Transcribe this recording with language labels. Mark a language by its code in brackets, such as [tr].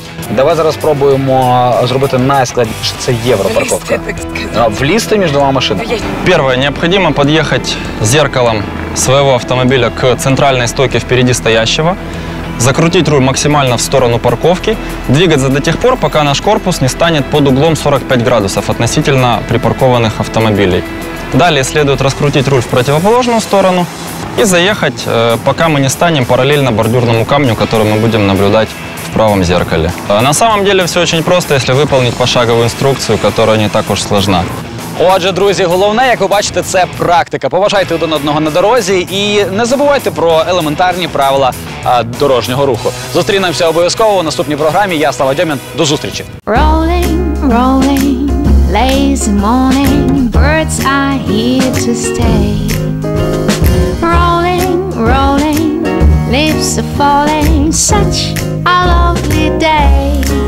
[uk] Давай зараз спробуємо зробити найскладніше. Це європарковка. Влізти між двома машинами. Перше, необхідно під'їхати дзеркалом свого автомобіля к центральній стойці впереді стоящого. [ru] Закрутить руль максимально в сторону парковки, двигаться до тех пор, пока наш корпус не станет под углом 45 градусов относительно припаркованных автомобилей. Далее следует раскрутить руль в противоположную сторону и заехать, пока мы не станем параллельно бордюрному камню, который мы будем наблюдать в правом зеркале. На самом деле все очень просто, если выполнить пошаговую инструкцию, которая не так уж сложна. [uk] Отже, друзі, головне, як ви бачите, це практика. Поважайте один одного на дорозі і не забувайте про елементарні правила дорожнього руху. Зустрінемося обов'язково у наступній програмі. Я, Слава Дьомін, до зустрічі. [en] Rolling, rolling, lazy morning, birds are here to stay. Rolling, rolling, leaves are falling, such a lovely day.